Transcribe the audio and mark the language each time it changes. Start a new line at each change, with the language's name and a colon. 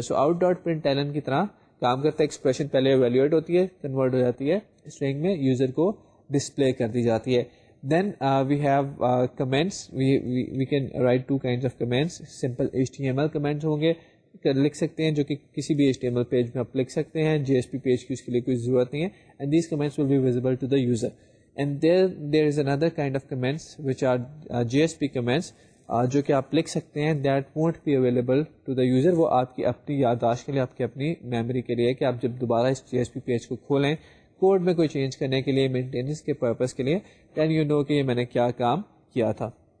Urdu: سو out dot print Alan کی طرح کام کرتا ہے. ایکسپریشن پہلے ایویلیویٹ ہوتی ہے, کنورٹ ہو جاتی ہے اسٹرنگ میں, یوزر کو ڈسپلے کر دی جاتی ہے.
English: Then we have comments. We can write two kind of comments.
Urdu: Simple H T M L comments ہوں گے, لکھ سکتے ہیں جو کہ کسی بھی H T M L page میں آپ لکھ سکتے ہیں. جی ایس پی پیج کی اس کے لیے کوئی ضرورت نہیں ہے.
English: And these comments will be visible to the user. And there is another kind of comments which are G S P comments.
Urdu: جو کہ آپ لکھ سکتے ہیں
English: that won't be available to the user,
Urdu: وہ آپ کی اپنی یادداشت کے لیے, آپ کی اپنی میموری کے لیے, کہ آپ جب دوبارہ اس جی ایس پی پیج کو کھولیں کوڈ میں کوئی چینج کرنے کے لیے مینٹیننس کے پرپز کے لیے,
English: then you know
Urdu: کہ یہ میں نے کیا کام کیا تھا.